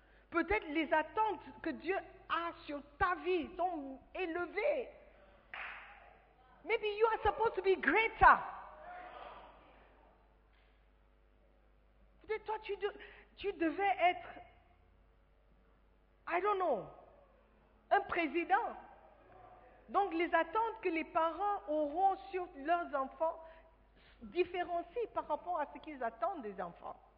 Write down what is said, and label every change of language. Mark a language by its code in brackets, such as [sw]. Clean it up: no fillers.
[fr] Peut-être les attentes que Dieu a sur ta vie sont élevées. [en] Maybe you are supposed to be greater. [fr] Peut-être toi, tu devais être, [en] I don't know, [fr] un président. Donc les attentes que les parents auront sur leurs enfants différencient par rapport à ce qu'ils attendent des enfants.